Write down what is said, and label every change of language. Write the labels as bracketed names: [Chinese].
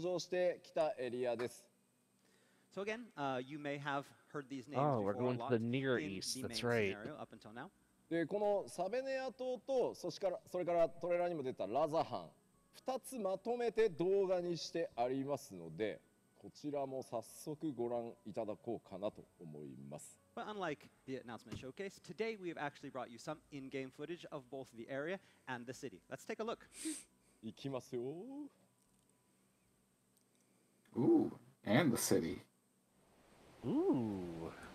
[English] So again, you may have heard these names before. Oh, we're going to the Near East, that's right. Up until now. [Japanese] で、このサベネア島と、そしから、それからトレーラーにも出たラザハン、二つまとめて動画にしてありますので、こちらも早速ご覧いただこうかなと思います。 [English] But unlike the announcement showcase, today we have actually brought you some in-game footage of both the area and the city. Let's take a look. [Japanese] 行きますよ。 [English] Ooh, and the city. Ooh.